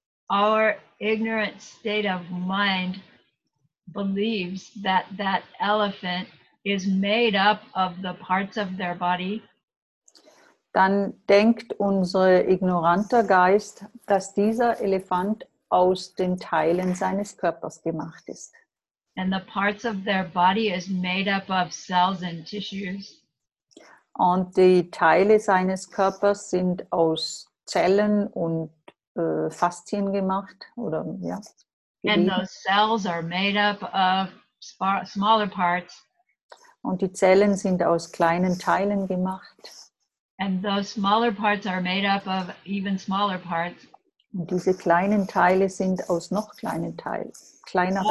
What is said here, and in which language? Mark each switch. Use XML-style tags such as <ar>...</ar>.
<en>our ignorant state of mind believes that that elephant is made up of the parts of their body,</en> <de>dann denkt unser ignoranter Geist, dass dieser Elefant aus den Teilen seines Körpers gemacht ist.</de> <en>And the parts of their body is made up of cells and tissues.</en> <de>Und die Teile seines Körpers sind aus Zellen und Faszien gemacht oder ja. Gelegen.</de> <en>And those cells are made up of smaller parts.</en> <de>Und die Zellen sind aus kleinen Teilen gemacht.</de> <en>And those smaller parts are made up of even smaller parts.</en> <de>Und diese kleinen Teile sind aus noch kleinen Teilen, kleineren Teilen.</de>